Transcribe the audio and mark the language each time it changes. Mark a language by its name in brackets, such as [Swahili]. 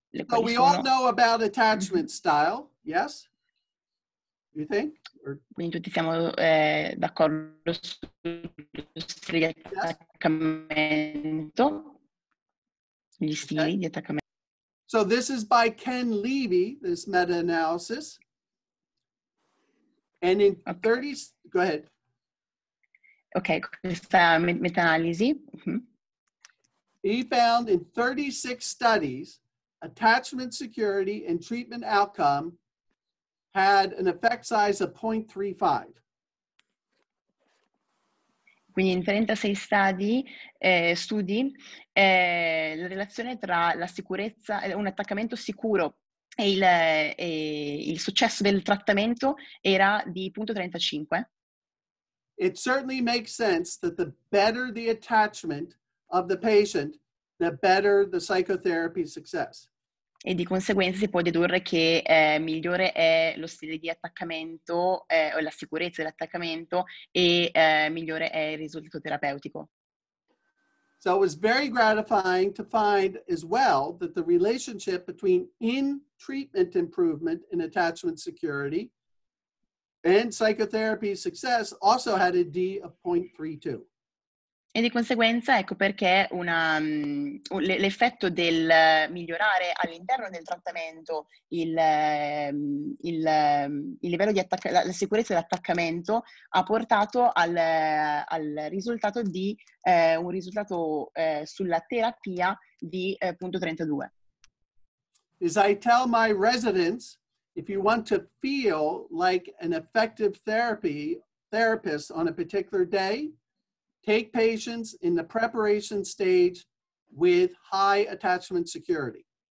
[English] So we all know about attachment style, yes? You think? [Italian] Quindi tutti siamo d'accordo sugli attaccamento, gli stili di attaccamento. [English] So this is by Ken Levy, this meta-analysis. And in 30, go ahead. [Italian] Okay, questa meta-analisi. [English] He found in 36 studies, attachment security and treatment outcome had an effect size of 0.35. [Italian] Quindi in 36 studi la relazione tra la sicurezza, un attaccamento sicuro e il successo del trattamento era di 0.35. [English] It certainly makes sense that the better the attachment of the patient, the better the psychotherapy success. [Italian] E di conseguenza si può dedurre che migliore è lo stile di attaccamento o la sicurezza dell'attaccamento e migliore è il risultato terapeutico. [English] So it was very gratifying to find as well that the relationship between in-treatment improvement and attachment security and psychotherapy success also had a D of 0.32. [Italian] E di conseguenza ecco perché l'effetto del migliorare all'interno del trattamento il livello di la sicurezza dell'attaccamento ha portato al risultato di un risultato sulla terapia di 0.32. [English] is I tell my residents, if you want to feel like an effective therapist on a particular day, take patients in the preparation stage with high attachment security.